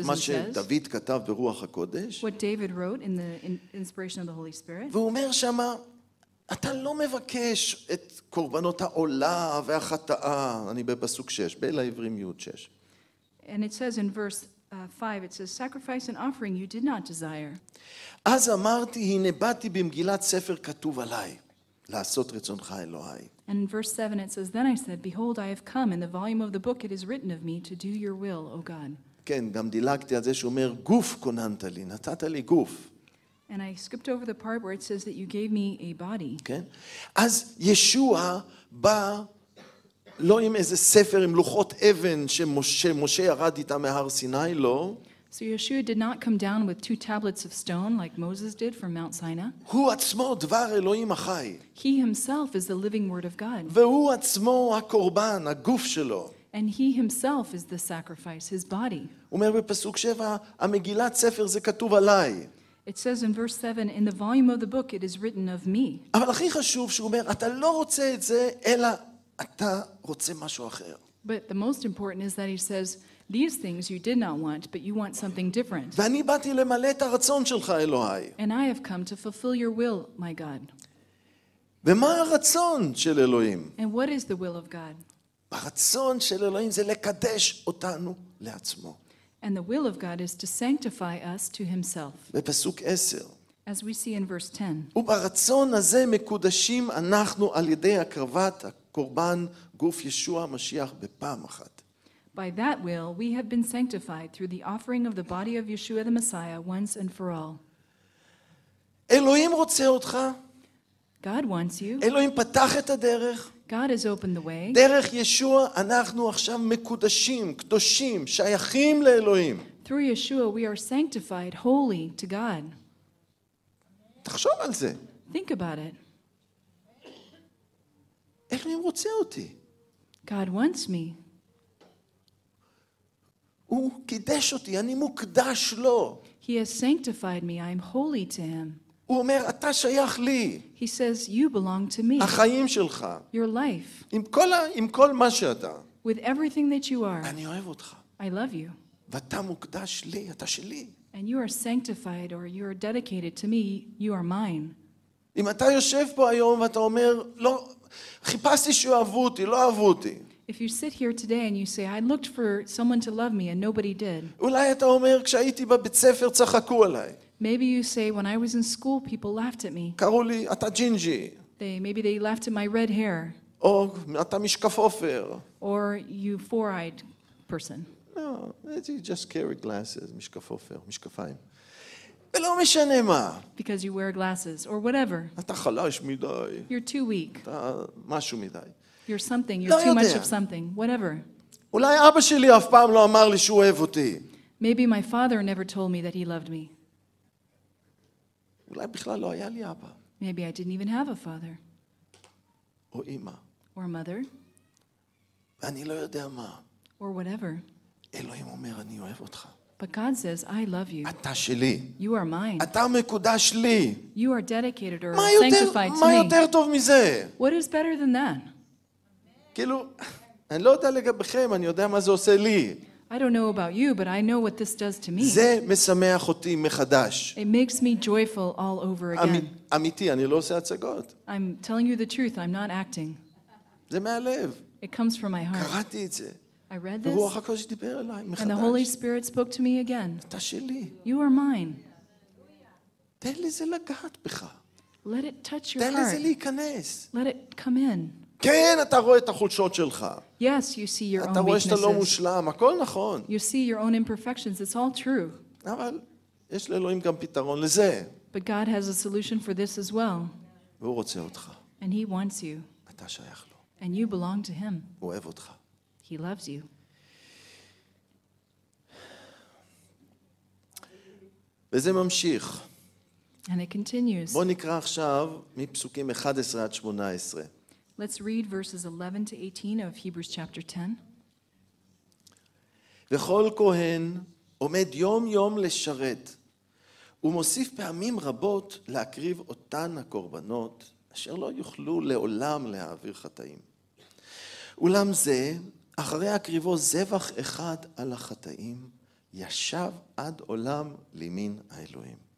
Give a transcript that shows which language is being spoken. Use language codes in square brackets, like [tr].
[he] את מה שדוד כתב ברוח הקודש. [en] What David wrote in the inspiration of the Holy Spirit. [he] והוא אומר שמה, אתה לא מבקש את קורבנות העולה והחטאה. אני בפסוק 6, באל העברים י' 6. [en] And it says in verse 5, it says, sacrifice and offering you did not desire. [he] אז אמרתי, הנה באתי במגילת ספר כתוב עליי, לעשות רצונך אלוהי. [en] And in verse 7 it says, then I said, behold, I have come, in the volume of the book it is written of me, to do your will, O God. [he] כן, גם דילגתי על זה שאומר, גוף כוננת לי, נתת לי גוף. [en] And I skipped over the part where it says that you gave me a body. [he] כן, אז ישוע בא לא עם איזה ספר, עם לוחות אבן שמשה ירד איתה מהר סיני, לא. [en] So Yeshua did not come down with two tablets of stone like Moses did from Mount Sinai. [he] הוא עצמו דבר אלוהים החי. [en] He himself is the living word of God. [he] והוא עצמו הקורבן, הגוף שלו. [en] And he himself is the sacrifice, his body. [he] אומר בפסוק 7, המגילת ספר זה כתוב עליי. [en] It says in verse 7, in the volume of the book it is written of me. [he] אבל הכי חשוב שהוא אומר, אתה לא רוצה את זה, אלא אתה רוצה משהו אחר. [en] But the most important is that he says, these things you did not want, but you want something different. [he] ואני באתי למלא את הרצון שלך, אלוהי. [en] And I have come to fulfill your will, my God. [he] ומה הרצון של אלוהים? [en] And what is the will of God? [he] הרצון של אלוהים זה לקדש אותנו לעצמו. [en] And the will of God is to sanctify us to himself. [he] בפסוק 10. [en] As we see in verse 10. [he] וברצון הזה מקודשים אנחנו על ידי הקרבת הקורבן גוף ישוע משיח בפעם אחת. [en] By that will we have been sanctified through the offering of the body of Yeshua the Messiah once and for all. [he] אלוהים רוצה אותך. [en] God wants you. [he] אלוהים פתח את הדרך. [en] God has opened the way. [he] דרך ישוע אנחנו עכשיו מקודשים, קדושים, שייכים לאלוהים. [en] Through Yeshua we are sanctified holy to God. [he] תחשוב על זה. [en] Think about it. [he] אלוהים רוצה אותי. [en] God wants me. [he] הוא קידש אותי, אני מוקדש לו. [en] He has sanctified me, I am holy to him. [he] הוא אומר, אתה שייך לי. [en] He says, you belong to me. [he] החיים שלך. [en] Your life. [he] עם כל מה שאתה. [en] With everything that you are. [he] אני אוהב אותך. [en] I love you. [he] ואתה מוקדש לי, אתה שלי. [en] And you are sanctified or you are dedicated to me, you are mine. [he] אם אתה יושב פה היום ואתה אומר, לא, חיפשתי שאהבו אותי, לא אהבו אותי. [en] If you sit here today and you say, I looked for someone to love me and nobody did. [he] אולי אתה אומר, כשהייתי בבית ספר צחקו עליי. [en] Maybe you say, when I was in school, people laughed at me. [he] קראו לי, אתה ג'ינג'י. [en] Maybe they laughed at my red hair. [he] או, אתה משקפופר. [en] Or you four-eyed person. No, you just carry glasses, [he] משקפופר, משקפיים. ולא משנה מה. [en] Because you wear glasses, or whatever. [he] אתה חלש מדי. [en] You're too weak. [he] אתה משהו מדי. [en] You're something, you're too much of something, whatever. [he] אולי אבא שלי אף פעם לא אמר לי שהוא אוהב אותי. [en] Maybe my father never told me that he loved me. [he] אולי בכלל לא היה לי אבא. [en] Maybe I didn't even have a father. [he] או אמא. [en] Or a mother. [he] אני לא יודע מה. [en] Or whatever. [he] אלוהים אומר, אני אוהב אותך. [en] But God says, I love you. [he] אתה שלי. [en] You are mine. [he] אתה מקודש לי. [en] You are dedicated or sanctified to me. [he] מה יותר טוב מזה? [en] What is better than that? [he] כאילו, אני לא יודע לגביכם, אני יודע מה זה עושה לי. [en] I don't know about you, but I know what this does to me. [he] זה משמח אותי מחדש. [en] It makes me joyful all over again. [he] אמיתי, אני לא עושה הצגות. [en] I'm telling you the truth, I'm not acting. [he] זה מהלב. [en] It comes from my heart. [he] קראתי את זה. [en] I read this. [he] ורוח הקודש דיבר אליי מחדש. [en] And the Holy Spirit spoke to me again. [he] אתה שלי. [en] You are mine. [he] תן לי זה לגעת בך. [en] Let it touch your heart. [he] תן לי זה להיכנס. [en] Let it come in. [he] כן, אתה רואה את החולשות שלך. [en] Yes, you see your own weaknesses. [he] אתה רואה שאתה לא מושלם, הכל נכון. [en] You see your own imperfections, it's all true. [he] אבל יש לאלוהים גם פתרון לזה. [en] But God has a solution for this as well. [he] והוא רוצה אותך. [en] And he wants you. [he] אתה שייך לו. [en] And you belong to him. [he] הוא אוהב אותך. [en] He loves you. [he] וזה ממשיך. [en] And it continues. [he] בוא נקרא עכשיו מפסוקים 11 עד 18. [en] Let's read verses 11 to 18 of Hebrews chapter 10. [he] וכל כהן עומד יום יום לשרת ומוסיף פעמים רבות להקריב אותן הקורבנות אשר לא יוכלו לעולם להעביר חטאים. אולם זה, אחרי הקריבו זבח אחד על החטאים, ישב עד עולם למין האלוהים.